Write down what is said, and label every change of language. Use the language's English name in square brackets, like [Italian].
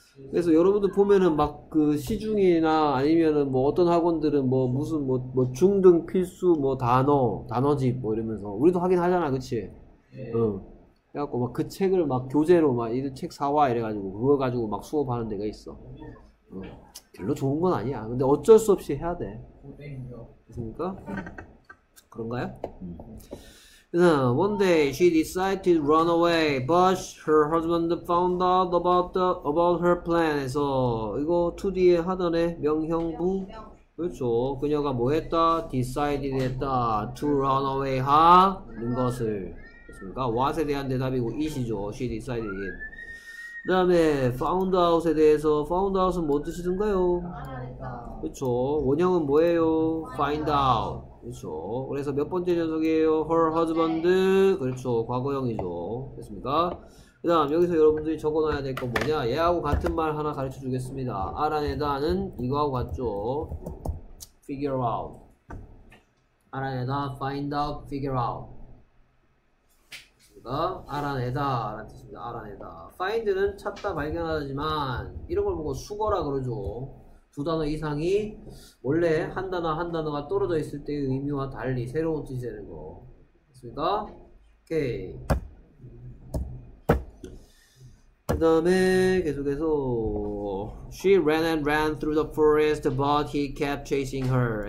[Korean] 그래서 여러분들 보면은 막 그 시중이나 아니면은 뭐 어떤 학원들은 뭐 무슨 뭐 중등 필수 뭐 단어집 뭐 이러면서 우리도 하긴 하잖아, 그치? 네. 그래갖고 막 그 책을 막 교재로 막 이 책 사와 이래가지고 그거 가지고 막 수업하는 데가 있어. 별로 좋은 건 아니야. 근데 어쩔 수 없이 해야 돼. 그렇습니까? 그런가요? [English] One day she decided to run away, but her husband found out about her plan. [Korean] 그래서 이거 to 뒤에 하던에 명형부. 그렇죠. 그녀가 뭐 했다? Decided 했다. [English] To run away [Korean] 하는 것을. 그니까 what에 대한 대답이고 it이죠. [English] She decided it. [Korean] 그 다음에 found out에 대해서 found out은 뭔 뜻이든가요? 그렇죠. 원형은 뭐예요? find out. 그렇죠. 그래서 몇 번째 녀석이에요? [English] her husband. [Korean] 그렇죠. 과거형이죠. 됐습니까? 그 다음 여기서 여러분들이 적어놔야 될 건 뭐냐? 얘하고 같은 말 하나 가르쳐 주겠습니다. 알아내다는 이거하고 같죠. [English] figure out. [Korean] 알아내다, [English] find out, figure out. [Korean] 알아내다 라는 뜻입니다. 알아내다. find는 찾다 발견하지만 이런 걸 보고 수거라 그러죠. 두 단어 이상이 원래 한 단어 한 단어가 떨어져 있을 때의 의미와 달리 새로운 뜻이 되는 거. 됐습니까? 오케이. 그 다음에 계속해서 [English] she ran and ran through the forest but he kept chasing her.